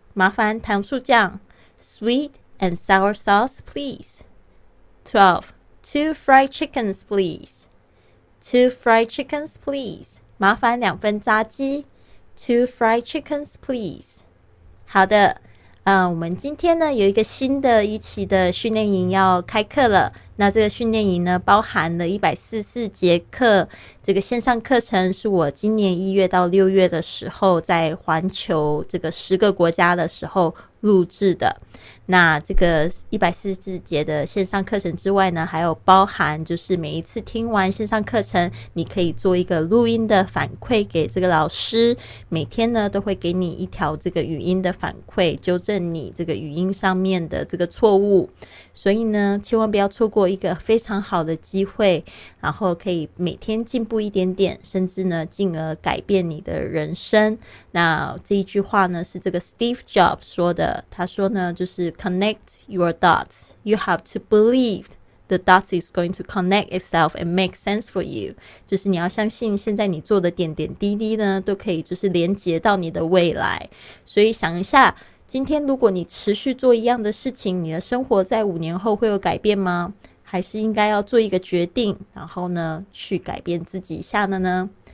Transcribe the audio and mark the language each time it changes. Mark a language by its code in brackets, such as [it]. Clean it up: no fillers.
[zh] 麻烦糖醋酱。 [en] Sweet and sour sauce, please. 12. Two fried chickens, please. Two fried chickens, please. [zh] 麻烦两份炸鸡。 [en] Two fried chickens, please. [zh] 好的。我们今天呢有一个新的一期的训练营要开课了。那这个训练营呢包含了144节课，这个线上课程是我今年1月到6月的时候在环球这个10个国家的时候录制的。那这个144节的线上课程之外呢，还有包含就是每一次听完线上课程你可以做一个录音的反馈给这个老师，每天呢都会给你一条这个语音的反馈，纠正你这个语音上面的这个错误。所以呢千万不要错过一个非常好的机会，然后可以每天进步一点点，甚至呢进而改变你的人生。那这一句话呢是这个 Steve Jobs 说的，他说呢就是 [en] Connect your dots. You have to believe the dots is going to connect itself and make sense for you. [zh] 就是你要相信现在你做的点点滴滴呢都可以就是连接到你的未来。所以想一下，今天如果你持续做一样的事情，你的生活在五年后会有改变吗？还是应该要做一个决定，然后呢去改变自己一下的呢？